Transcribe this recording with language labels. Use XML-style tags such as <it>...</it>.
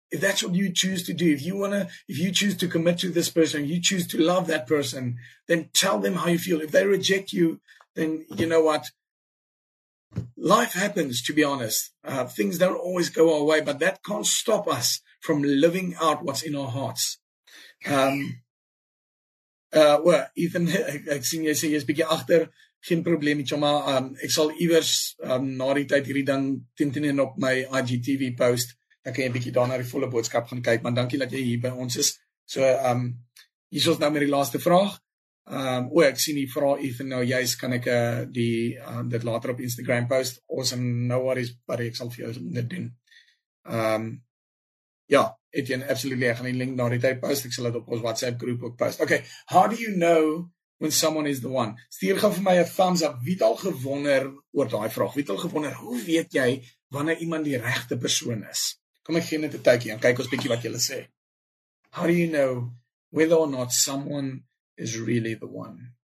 <en>If that's what you choose to do, if you choose to commit to this person, you choose to love that person, then tell them how you feel. If they reject you, then you know what? Life happens, to be honest. Things don't always go our way, but that can't stop us from living out what's in our hearts.</en> <af>Well, even ek sien jy sê jy's bietjie agter, geen probleem nie, maar ek sal iewers na die tyd hierdie ding teen op my IGTV post. Dan kan jy bietjie daar na die volle boodskap gaan kyk, maar dankie dat jy hier by ons is. So hier is ons nou met die laaste vraag. Ek sien die vraag even nou juist, kan ek dit later op Instagram post?</af> <en>Awesome, no worries, but</en> <af>ek sal vir jou dit doen. Etienne, absolutely, ek gaan die link na die tyd post, ek sal dit op ons WhatsApp groep ook post.</af> <en>Okay, how do you know when someone is the one?</en> <af>Stuur gou vir my 'n thumbs up, wie het al gewonder oor daai vraag? Wie het al gewonder, hoe weet jy wanneer iemand die regte persoon is? Kom ek gee net 'n tydjie en kyk ons bietjie wat julle sê.</af> <en>How do you know whether or not someone is really the one?</en>